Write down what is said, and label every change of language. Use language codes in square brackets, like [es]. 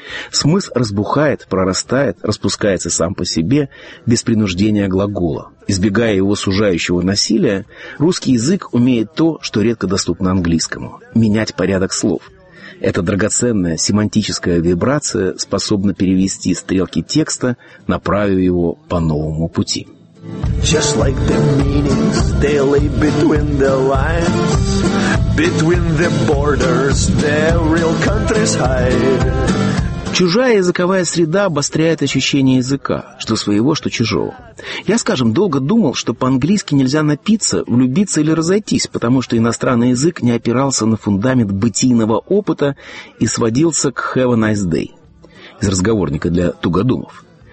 [ru] Смысл разбухает, прорастает, распускается сам по себе, без принуждения глагола. Избегая его сужающего насилия, русский язык умеет то, что редко доступно английскому – менять порядок слов. Эта драгоценная семантическая вибрация способна перевести стрелки текста, направив его по новому пути. [en] Just like the meanings they lay between the lines, between the borders the real countries hide. [ru] Чужая языковая среда обостряет ощущение языка, что своего, что чужого. Я, скажем, долго думал, что по-английски нельзя напиться, влюбиться или разойтись, потому что иностранный язык не опирался на фундамент бытийного опыта и сводился к [en] «have a nice day» [ru] из разговорника для тугодумов.